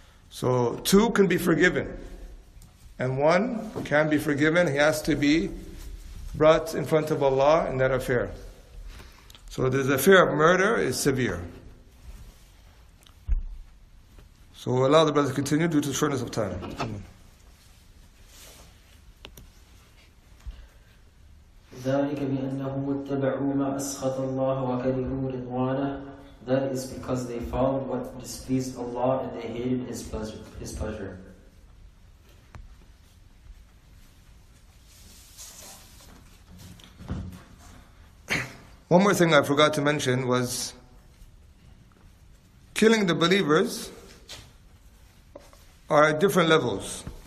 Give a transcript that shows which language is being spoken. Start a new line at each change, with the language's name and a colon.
English: So two can be forgiven, and one can be forgiven. He has to be brought in front of Allah in that affair. So the affair of murder is severe. So we'll allow the brother to continue due to the shortness of time.
Arabic: ذلك بأنهم اتبعوا ما أسخط الله وكرهوا رضوانه.
English: That is because they followed what displeased Allah and they hated His pleasure. One more thing I forgot to mention was killing the believers are at different levels.